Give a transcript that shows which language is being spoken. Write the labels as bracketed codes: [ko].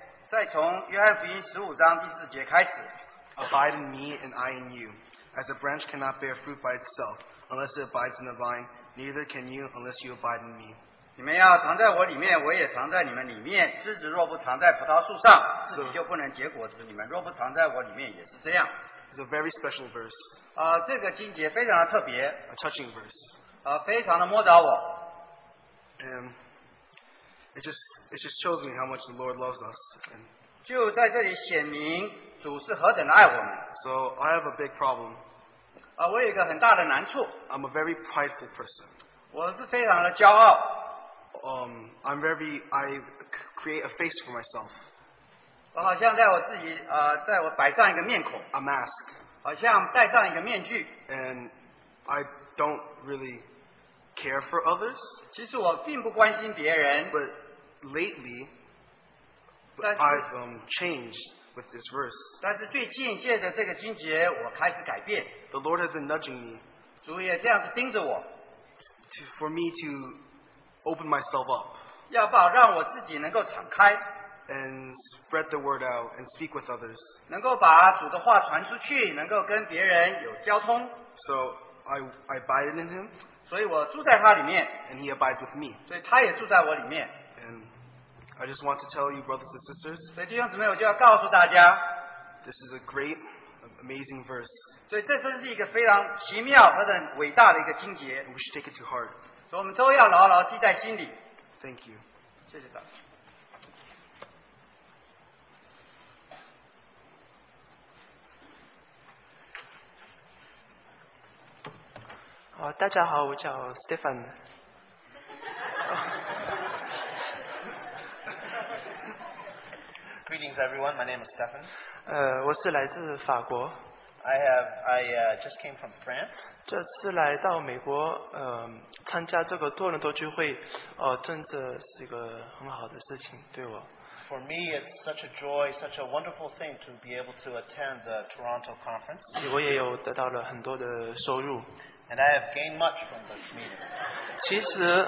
[zh] 再从约翰福音15章第4节开始。 [en] Abide in me and I in you. As a branch cannot bear fruit by itself, unless it abides in the vine, neither can you unless you abide in me. [zh] 你们要藏在我里面，我也藏在你们里面。枝子若不藏在葡萄树上，自己就不能结果子；你们若不藏在我里面，也是这样。 [en] It's a very special verse. [zh] 这个经节非常的特别。 [en] A touching verse. [zh] 非常的摸着我。 [en] It just shows me how much the Lord loves us. [zh] 就在这里显明主是何等的爱我们。 [en] So I have a big problem. [zh] 我有一个很大的难处。 [en] I'm a very prideful person. [zh] 我是非常的骄傲。 [en] I create a face for myself. [zh] 我好像在我自己，在我摆上一个面孔。 [en] A mask. [zh] 好像戴上一个面具。 [en] And I don't really care for others. [zh] 其实我并不关心别人。 [en] But lately, I've changed with this verse. [zh] 但是最近借着这个经节，我开始改变。 [en] The Lord has been nudging me. [zh] 主也这样子盯着我。 [en] For me to open myself up. [zh] 要把让我自己能够敞开, [en] and spread the word out and speak with others. [zh] 能够把主的话传出去, 能够跟别人有交通, [en] so I abide in him. [zh] 所以我住在他里面, [en] and he abides with me. [zh] 所以他也住在我里面, [en] and I just want to tell you, brothers and sisters, [zh] 所以弟兄姊妹我就要告诉大家, [en] this is a great, amazing verse. [zh] 所以这真是一个非常奇妙和很伟大的一个经节, [en] and we should take it to heart. [zh] 所以我们都要牢牢记在心里。 [en] Thank you. [zh] 谢谢。大家好, 我叫 Stephen. [en] 、Greetings, everyone. My name is Stephen. [zh] 我是来自法国。 [en] I just came from France. [zh] 这次来到美国，参加这个多伦多聚会，真的是一个很好的事情，对我。 [en] For me, it's such a joy, such a wonderful thing to be able to attend the Toronto conference. [zh] 我也有得到了很多的收入。 [en] And I have gained much from this meeting.